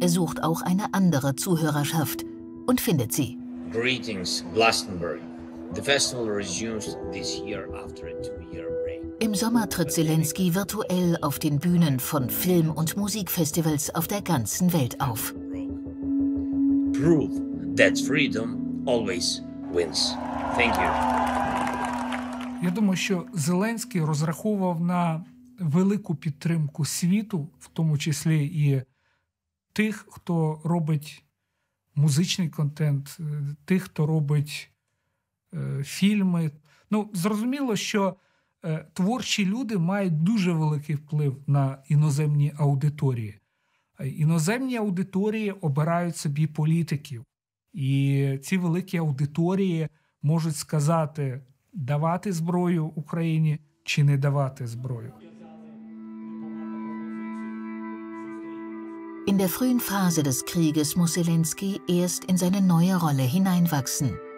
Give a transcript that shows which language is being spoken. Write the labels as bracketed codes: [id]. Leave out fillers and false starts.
[de] Er sucht auch eine andere Zuhörerschaft und findet sie. [en] Greetings, Glastonbury. The festival resumes this year after a two-year break. [de] Im Sommer tritt Selenskyj virtuell auf den Bühnen von Film- und Musikfestivals auf der ganzen Welt auf. [en] Prove that freedom always wins. Thank you. [uk] Я думаю, що Зеленський розраховував на велику підтримку світу, в тому числі і тих, хто робить музичний контент, тих, хто робить фільми. Ну, зрозуміло, що творчі люди мають дуже великий вплив на іноземні аудиторії. Іноземні аудиторії обирають собі політиків. І ці великі аудиторії можуть сказати, давати зброю Україні чи не давати зброю. [de] In der frühen Phase des Krieges muss Selenskyj erst in seine neue Rolle hineinwachsen.